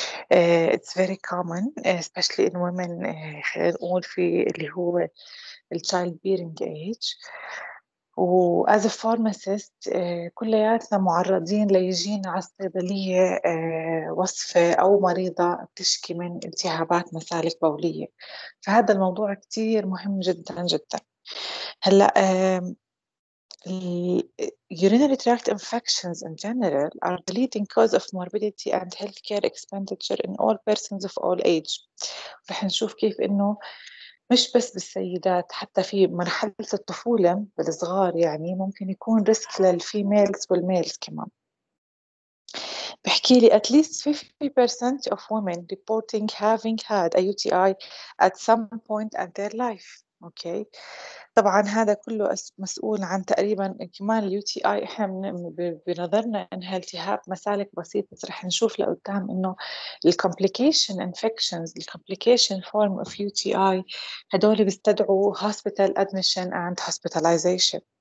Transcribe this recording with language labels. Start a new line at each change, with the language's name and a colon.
English: It's very common, especially in women,
Arabic: خلينا نقول في اللي هو
English: child bearing age.
Arabic: و
English: as a pharmacist
Arabic: كلياتنا معرضين ليجينا على الصيدلية وصفة أو مريضة بتشكي من التهابات مسالك بولية، فهذا الموضوع كتير مهم جدا جدا.
English: هلأ urinary tract infections in general are the leading cause of morbidity and healthcare expenditure in all persons of all age.
Arabic: رح نشوف كيف إنه مش بس بالسيدات، حتى في مرحلة الطفولة بالصغار يعني ممكن يكون ريسك للفيميلز والميلز كمان. بحكي لي
English: at least 50% of women reporting having had a UTI at some point in their life. Okay.
Arabic: طبعا هذا كله مسؤول عن تقريبا كمان UTI، احنا بنظرنا انها التهاب مسالك بسيط، بس رح نشوف لقدام انه
English: الكمبليكيشن انفكشنز الكمبليكيشن form of UTI
Arabic: هدول بيستدعوا
English: Hospital admission and hospitalisation.